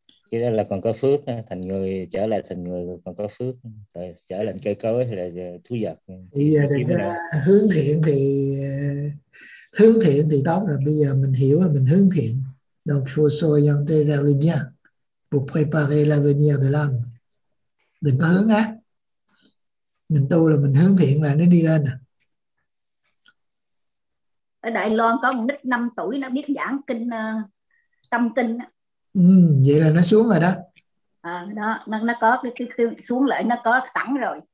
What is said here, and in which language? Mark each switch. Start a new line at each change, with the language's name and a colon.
Vietnamese: Cái đó là còn có phước, thành người trở lại thành người còn có phước, trở lại cây cối là thú vật. Bây giờ định hướng thiện thì hướng thiện thì tốt rồi, bây giờ mình hiểu là mình hướng thiện.
French: Donc faut s'orienter vers le bien pour préparer l'avenir de l'âme.
Vietnamese: Đừng có hướng ác. Mình tu là mình hướng thiện là nó đi lên à. Ở Đài Loan có một nít 5 tuổi nó biết giảng kinh tâm kinh. Vậy là nó xuống rồi đó. Nó có cái xuống lại, nó có sẵn rồi.